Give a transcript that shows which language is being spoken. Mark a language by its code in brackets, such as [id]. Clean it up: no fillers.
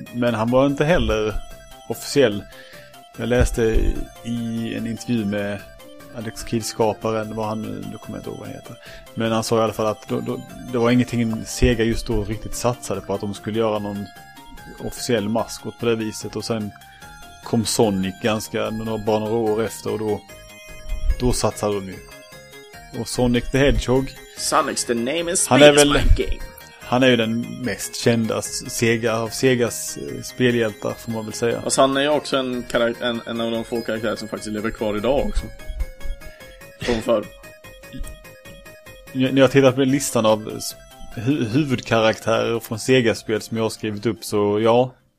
[sv] Men han var inte heller officiell. Jag läste i en intervju med Alex Kidd-skaparen, vad han nu, då kommer jag inte ihåg vad han heter. Men han sa i alla fall att det var ingenting Sega just då riktigt satsade på, att de skulle göra någon officiell maskot på det viset. Och sen kom Sonic ganska bara några år efter, och då satsade de ju. Och Sonic the Hedgehog, [en] Sonic's the name and speed is my game. [sv] Han är ju den mest kända Sega, av Segas spelhjältar, får man väl säga. Alltså, han är ju också en av de få karaktärer som faktiskt lever kvar idag också. När jag tittar på listan av huvudkaraktärer från Sega-spel som jag har skrivit upp, så ja.